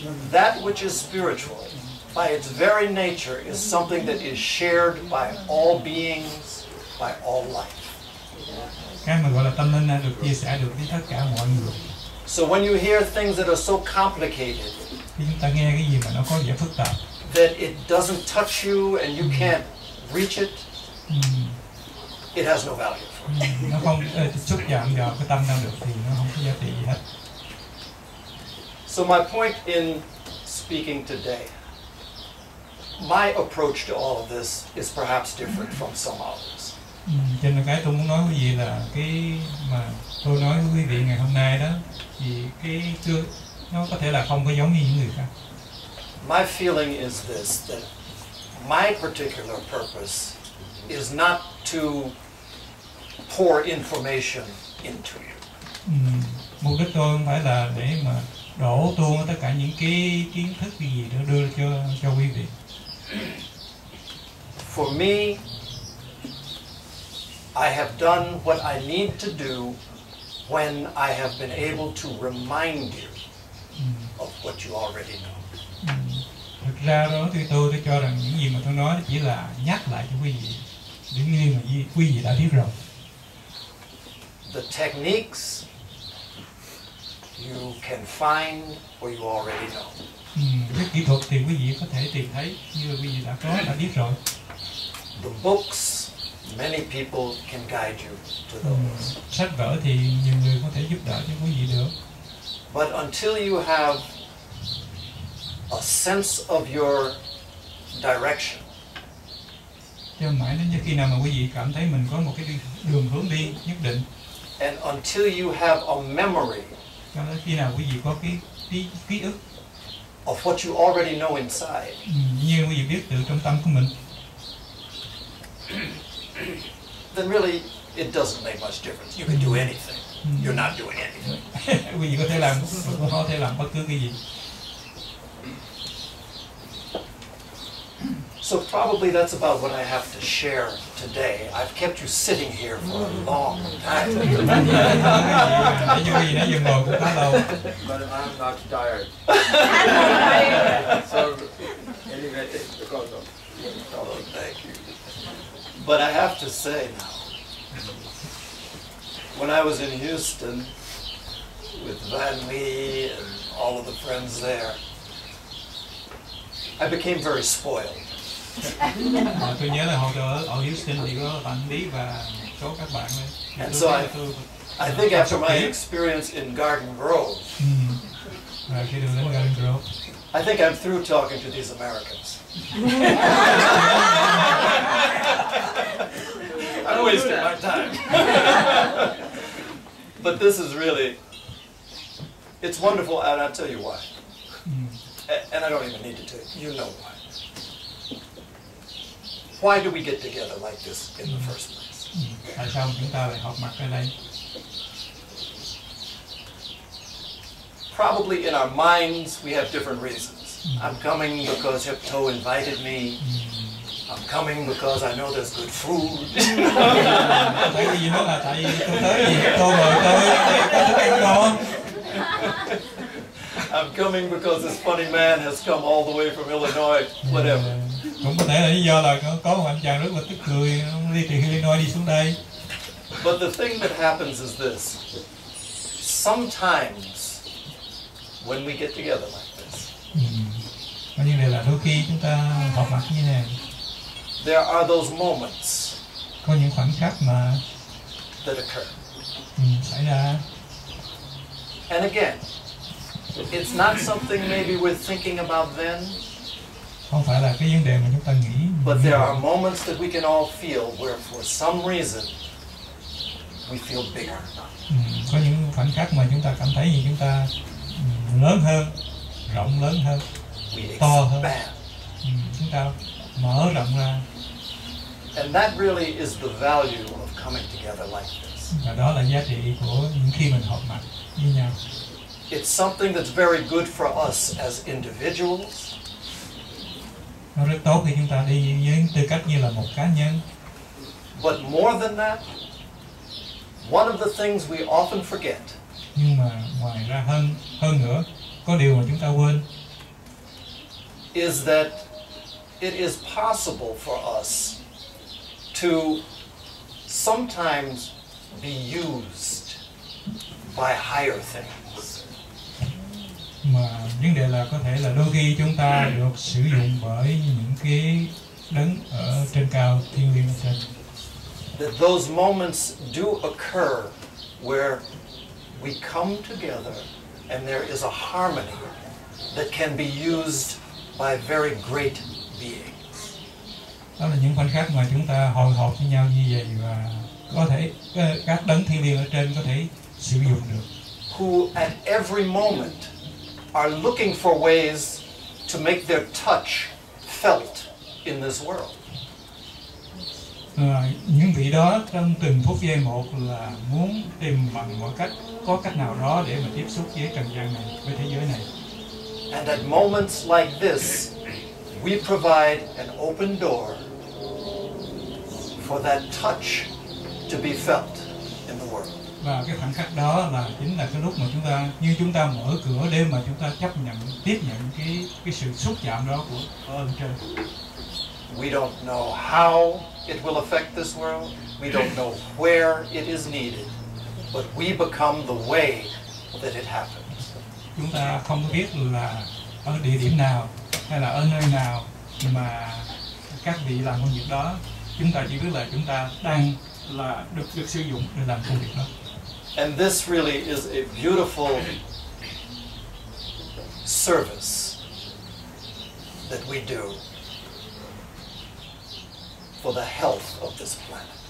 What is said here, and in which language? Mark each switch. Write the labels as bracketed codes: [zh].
[en] That which is spiritual, by its very nature, is something that is shared by all beings, by all life. [vi] Cái mà gọi là tâm linh được chia sẻ được với tất cả mọi người. [en] So when you hear things that are so complicated, [vi] chúng ta nghe cái gì mà nó có vẻ phức tạp, [en] that it doesn't touch you and you can't reach it, it has no value for you. [vi] Nó không xúc chạm vào cái tâm năng được thì nó không có giá trị gì hết. [en] So my point in speaking today, my approach to all of this is perhaps different from some others. [vi] Cho nên cái tôi muốn nói cái gì là cái mà tôi nói với quý vị ngày hôm nay đó thì cái chưa nó có thể là không có giống như những người khác. [en] My feeling is this, that my particular purpose is not to pour information into you. [vi] Mục đích tôi không phải là để mà đổ tuôn tất cả những cái kiến thức gì đó đưa cho quý vị. [en] For me, I have done what I need to do when I have been able to remind you of what you already know. [vi] Thực ra đó thì tôi cho rằng những gì mà tôi nói chỉ là nhắc lại cho quý vị. Đến như mà quý vị đã biết rồi. [en] The techniques you can find or you already know. [vi] Cái kỹ thuật thì quý vị có thể tìm thấy như quý vị đã có, đã biết rồi. [en] The books, many people can guide you to those. [vi] Sách vở thì nhiều người có thể giúp đỡ cho quý vị được. [en] But until you have a sense of your direction, [vi] cho mãi đến khi nào mà quý vị cảm thấy mình có một cái đường hướng đi nhất định. [en] And until you have a memory, [vi] cho đến khi nào quý vị có cái ký ức [en] of what you already know inside, [vi] như quý vị biết từ trong tâm của mình, [en] then really it doesn't make much difference. You can do anything. You're not doing anything. [vi] Quý vị có thể làm, cũng có thể làm bất cứ cái gì. [en] So probably that's about what I have to share today. I've kept you sitting here for a long time. But I'm not tired. So anyway, thank you. But I have to say now, when I was in Houston with Van Lee and all of the friends there, I became very spoiled. [vi] Tôi nhớ là hồi ở Houston thì có bạn Lý và một số các bạn ấy. [en] And so I think after my experience in Garden Grove, [vi] rồi khi đến Garden Grove, [en] I think I'm through talking to these Americans. I wasted my time. But this is really, it's wonderful, and I'll tell you why. And I don't even need to tell you, you know why. Why do we get together like this in the first place? [vi] Tại sao chúng ta lại họp mặt ở đây? [en] Probably in our minds we have different reasons. I'm coming because Hip Toe invited me. I'm coming because I know there's good food. [vi] Tại vì nó là tại vì tôi tới, Hip Toe mời tôi, có thức ăn ngon. [en] I'm coming because this funny man has come all the way from Illinois, whatever. [vi] Cũng có thể là lý do là có một anh chàng rất là tức cười, ông đi từ Illinois đi xuống đây. [en] But the thing that happens is this. Sometimes, when we get together like this, [vi] như là đôi khi chúng ta họp mặt như này, [en] there are those moments [vi] có những khoảnh khắc mà [en] that occur. [vi] Xảy ra. [en] And again, it's not something maybe we're thinking about then, [vi] không phải là cái vấn đề mà chúng ta nghĩ, [en] but there are moments that we can all feel where for some reason we feel bigger. [vi] Có những khoảnh khắc mà chúng ta cảm thấy như chúng ta lớn hơn, rộng lớn hơn, to hơn. Chúng ta mở rộng ra. [en] And that really is the value of coming together like this. [vi] Và đó là giá trị của những khi mình họp mặt với nhau. [en] It's something that's very good for us as individuals. [vi] Nó rất tốt khi chúng ta đi với tư cách như là một cá nhân. [en] But more than that, one of the things we often forget. [vi] Nhưng mà ngoài ra hơn nữa, có điều mà chúng ta quên. [en] Is that it is possible for us to sometimes be used by higher things. [vi] Mà vấn đề là có thể là đôi khi chúng ta được sử dụng bởi những cái đấng ở trên cao, thiên liêng ở trên. [en] That those moments do occur where we come together and there is a harmony that can be used by very great beings. [vi] Đó là những khoảnh khắc mà chúng ta hội họp với nhau như vậy và có thể các đấng thiên liêng ở trên có thể sử dụng được. [en] Who at every moment are looking for ways to make their touch felt in this world. [vi] Những vị đó trong từng phút giây một là muốn tìm bằng mọi cách có cách nào đó để mà tiếp xúc với trần gian này, với thế giới này. [en] And at moments like this, we provide an open door for that touch to be felt in the world. [vi] Và cái khoảnh khắc đó là chính là cái lúc mà chúng ta như chúng ta mở cửa để mà chúng ta chấp nhận tiếp nhận cái sự xúc chạm đó của ơn trời. [en] We don't know how it will affect this world. We don't know where it is needed. But we become the way that it happens. [vi] Chúng ta không biết là ở địa điểm nào hay là ở nơi nào mà các vị làm công việc đó. Chúng ta chỉ biết là chúng ta đang là được sử dụng để làm công việc đó. [en] And this really is a beautiful service that we do for the health of this planet.